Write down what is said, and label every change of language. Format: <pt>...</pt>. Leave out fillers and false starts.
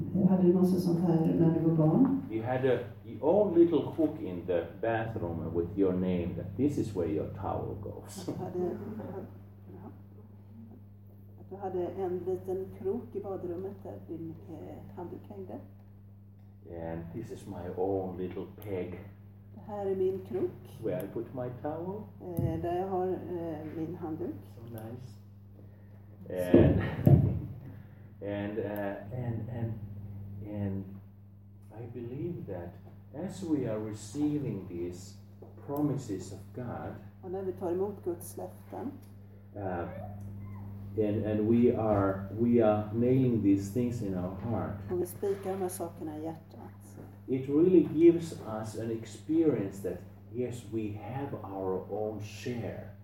<sv>Hade du något sånt här när du var barn?</sv> <en>You had a old little hook in the bathroom with your name, that this is where your towel goes.</en> <sv>Du hade en liten krok i badrummet där din handduk hängde.</sv> <en>And this is my own little peg.</en> <sv>Det här är min krok.</sv> <en>Where I put my towel.</en> <sv>Där jag har min handduk.</sv> <en>So nice. And I believe that as we are receiving these promises of God,</en> <sv>och när vi tar emot Guds löften,</sv> <en>and we are nailing these things in our heart,</en> <sv>och vi spikar de här sakerna i hjärtat,</sv> <en>it really gives us an experience that yes, we have our own share.</en>